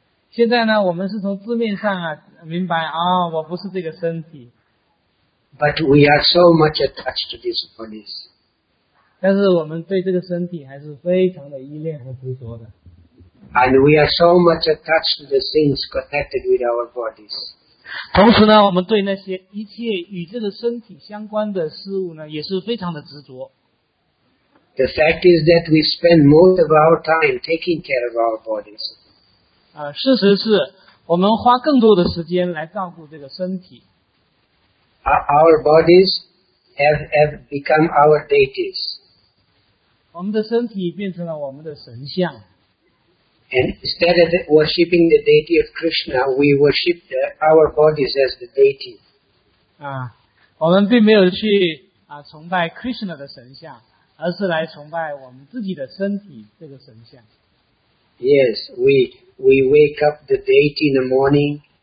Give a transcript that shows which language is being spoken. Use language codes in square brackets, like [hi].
[zh] 现在呢，我们是从字面上明白我不是这个身体。 [en] But we are so much attached to these bodies. [zh] 但是我们对这个身体还是非常的依恋和执着的。 [en] And we are so much attached to the things connected with our bodies. [zh] 同时呢，我们对那些一切与这个身体相关的事物呢，也是非常的执着。 [en] The fact is that we spend most of our time taking care of our bodies. [zh] 事实是，我们花更多的时间来照顾这个身体。 [en] Our bodies. Have become our deities. [zh] 我们的身体变成了我们的神像。 [en] And instead of worshipping the deity of Krishna, we worship our bodies as the deity. [zh] 我们并没有去崇拜 Krishna 的神像，而是来崇拜我们自己的身体这个神像。 [en] Yes, we wake up the deity in the morning.